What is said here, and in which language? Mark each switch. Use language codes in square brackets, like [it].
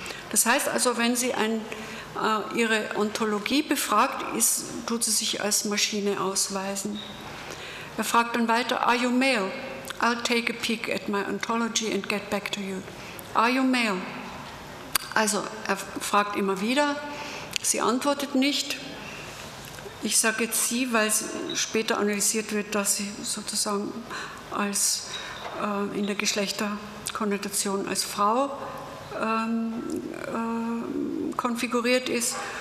[de] Das heißt also, wenn sie ihre Ontologie befragt, tut sie sich als Maschine ausweisen. Er fragt dann weiter, [en] are you male? I'll take a peek at my ontology and get back to you. Are you male? [de] Also er fragt immer wieder, sie antwortet nicht. Ich sage jetzt sie, weil später analysiert wird, dass sie sozusagen als in der Geschlechterkonnotation als Frau konfiguriert ist.